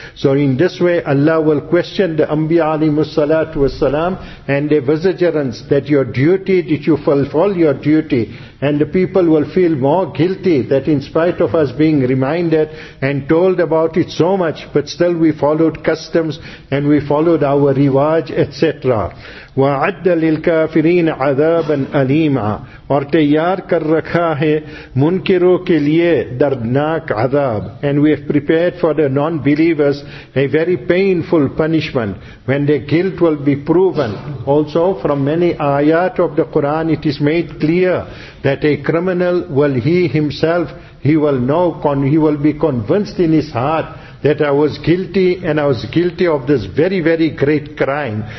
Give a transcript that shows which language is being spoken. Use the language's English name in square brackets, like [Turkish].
[English] So in this way, Allah will question the Anbiya alayhi salatu wasalam and the vicegerents that your duty, did you fulfill your duty? And the people will feel more guilty that in spite of us being reminded and told about it so much, but still we followed customs and we followed our riwaj, etc. [Arabic] وَعَدَّ لِلْكَافِرِينَ عَذَابًا أَلِيمًا [Urdu] اور تیار کر رکھا ہے منکروں کے لیے دردناک عذاب. [English] And we have prepared for the non-believers a very painful punishment when their guilt will be proven. Also from many ayat of the Quran it is made clear that a criminal will he will be convinced in his heart that I was guilty and I was guilty of this very, very great crime.